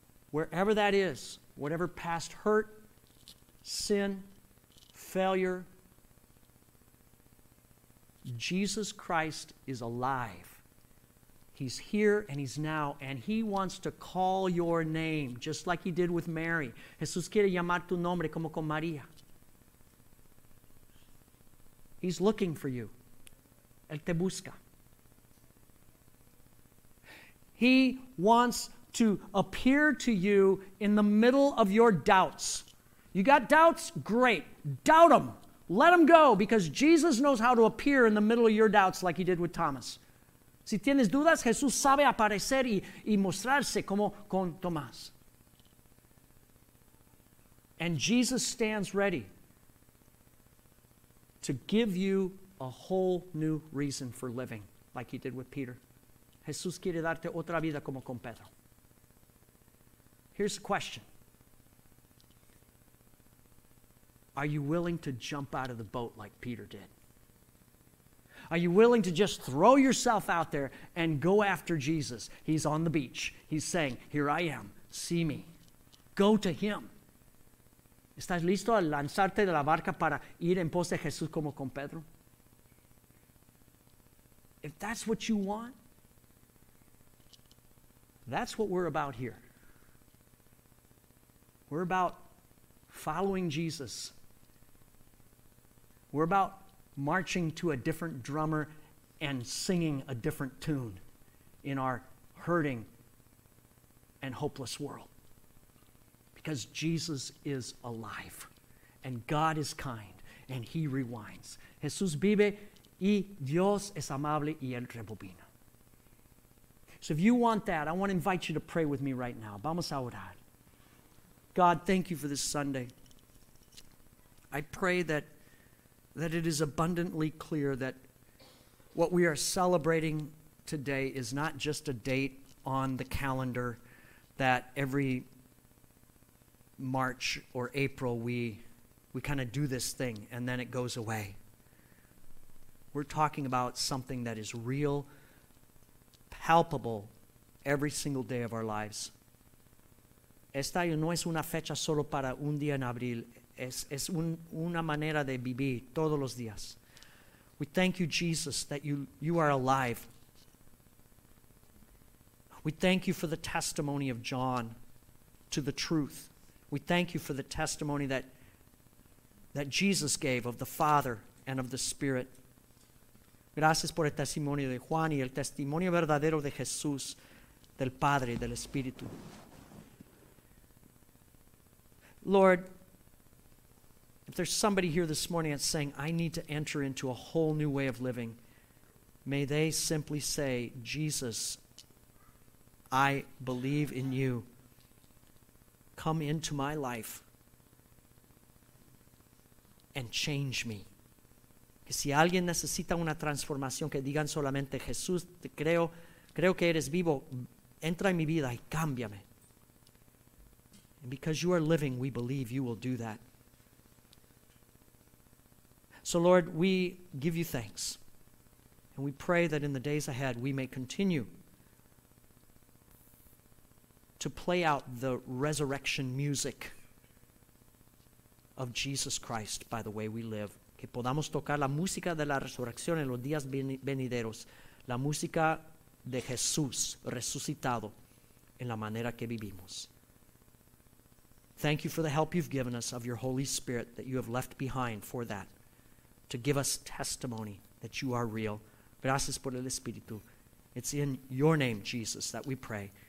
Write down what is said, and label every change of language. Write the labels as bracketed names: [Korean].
[English] Wherever that is, whatever past hurt, sin, failure, Jesus Christ is alive. He's here and he's now, and he wants to call your name, just like he did with Mary. [Spanish] Jesús quiere llamar tu nombre como con María. [English] He's looking for you. [Spanish] Él te busca. [English] He wants to appear to you in the middle of your doubts. You got doubts? Great. Doubt them. Let them go, because Jesus knows how to appear in the middle of your doubts like he did with Thomas. [Spanish] Si tienes dudas, Jesús sabe aparecer y mostrarse como con Tomás. [English] And Jesus stands ready to give you a whole new reason for living, like he did with Peter. [Spanish] Jesús quiere darte otra vida como con Pedro. [English] Here's the question. Are you willing to jump out of the boat like Peter did? Are you willing to just throw yourself out there and go after Jesus? He's on the beach. He's saying, here I am. See me. Go to him. [Spanish] ¿Estás listo a lanzarte de la barca para ir en pos de Jesús como con Pedro? [English] If that's what you want, that's what we're about here. We're about following Jesus. We're about marching to a different drummer and singing a different tune in our hurting and hopeless world. Because Jesus is alive, and God is kind, and He rewinds. [Spanish] Jesús vive, y Dios es amable, y Él rebobina. [English] So if you want that, I want to invite you to pray with me right now. [Spanish] Vamos a orar. [English] God, thank you for this Sunday. I pray that it is abundantly clear that what we are celebrating today is not just a date on the calendar that every March or April we kind of do this thing and then it goes away. We're talking about something that is real, palpable, every single day of our lives. [Spanish] Esta no es una fecha solo para un día en abril. Es una manera de vivir todos los días. [English] We thank you, Jesus, that you are alive. We thank you for the testimony of John to the truth. We thank you for the testimony that Jesus gave of the Father and of the Spirit. [Spanish] Gracias por el testimonio de Juan y el testimonio verdadero de Jesús, del Padre y del Espíritu. [English] Lord, if there's somebody here this morning that's saying, I need to enter into a whole new way of living, may they simply say, Jesus, I believe in you. Come into my life and change me. [Spanish] Que si alguien necesita una transformación, que digan solamente, Jesús, te creo, creo que eres vivo, entra en mi vida y cámbiame. [English] And because you are living, we believe you will do that. So Lord, we give you thanks. And we pray that in the days ahead, we may continue to play out the resurrection music of Jesus Christ by the way we live. [Spanish] Que podamos tocar la música de la resurrección en los días venideros. La música de Jesús resucitado en la manera que vivimos. [English] Thank you for the help you've given us of your Holy Spirit that you have left behind for that. To give us testimony that you are real. [Spanish] Gracias por el Espíritu. [English] It's in your name, Jesus, that we pray.